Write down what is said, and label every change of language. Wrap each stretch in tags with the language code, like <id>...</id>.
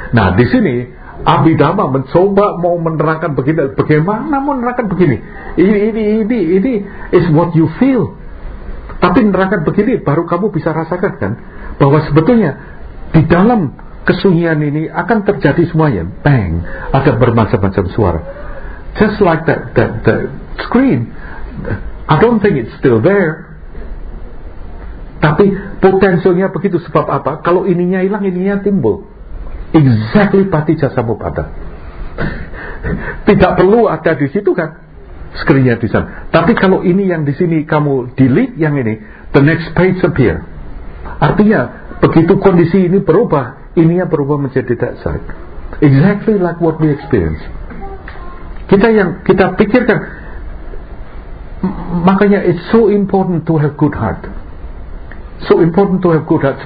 <id>Nah, di sini Abhidhamma mencoba mau menerangkan begini, bagaimana mau menerangkan begini? Ini</id> <en>is what you feel.</en> <id>Tapi menerangkan begini baru kamu bisa rasakan kan bahwa sebetulnya di dalam kesunyian ini akan terjadi semuanya. Bang, ada bermacam-macam suara.</id> <en>Just like the screen, I don't think it's still there.</en> <id>Tapi potensinya begitu, sebab apa? Kalau ininya hilang, ininya timbul. Exactly paticcasamuppada. Tidak perlu ada di situ kan? Screennya di sana. Tapi kalau ini yang di sini kamu delete yang ini,</id> <en>the next page appear.</en> <id>Artinya begitu kondisi ini berubah, ininya berubah menjadi</id> <en>that side. Exactly like what we experience.</en> <id>Kita yang kita pikirkan, makanya</id> <en>it's so important to have good heart. So important to have good heart.</en>